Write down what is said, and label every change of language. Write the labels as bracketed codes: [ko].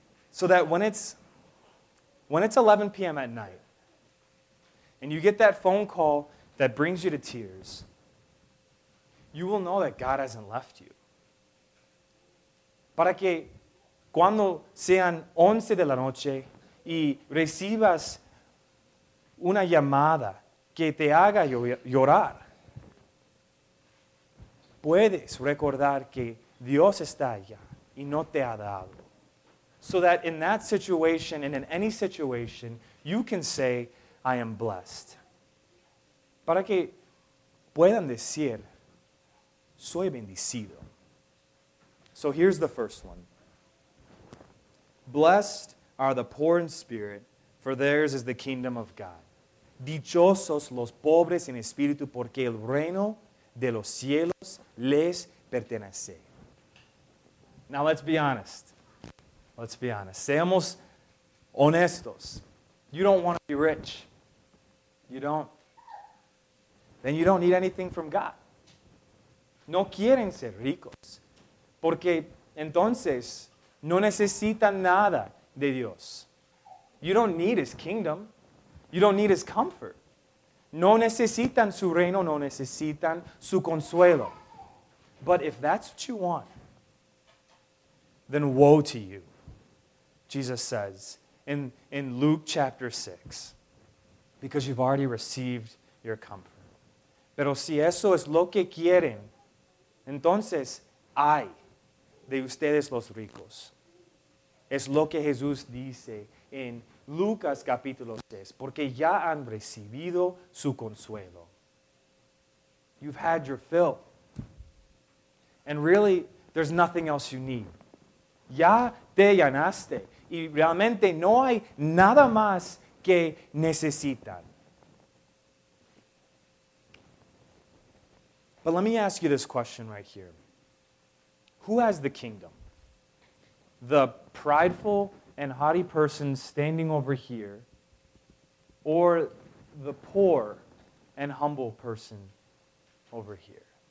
[en] So that when it's 11 p.m. at night and you get that phone call that brings you to tears, you will know that God hasn't left you. [es] Para que cuando sean 11 de la noche y recibas una llamada que te haga llorar, puedes recordar que Dios está allá y no te ha dado. [en] So that in that situation and in any situation, you can say, I am blessed. [es] Para que puedan decir, soy bendecido. [en] So here's the first one. Blessed are the poor in spirit, for theirs is the kingdom of God. [es] Dichosos los pobres en espíritu, porque el reino de los cielos les pertenece. [en] Now let's be honest. Let's be honest. [es] Seamos honestos. [en] You don't want to be rich. You don't. Then you don't need anything from God. [es] No quieren ser ricos. Porque entonces no necesitan nada de Dios. [en] You don't need his kingdom. You don't need his comfort. [es] No necesitan su reino, no necesitan su consuelo. [en] But if that's what you want, then woe to you, Jesus says in Luke chapter 6, because you've already received your comfort. [es] Pero si eso es lo que quieren, entonces ay de ustedes los ricos. Es lo que Jesús dice en Lucas capítulo 6, porque ya han recibido su consuelo. [en] You've had your fill. And really, there's nothing else you need. [es] Ya te llenaste. Y realmente no hay nada más que necesitan. [en] But let me ask you this question right here. Who has the kingdom? The prideful and haughty person standing over here, or the poor and humble person over here?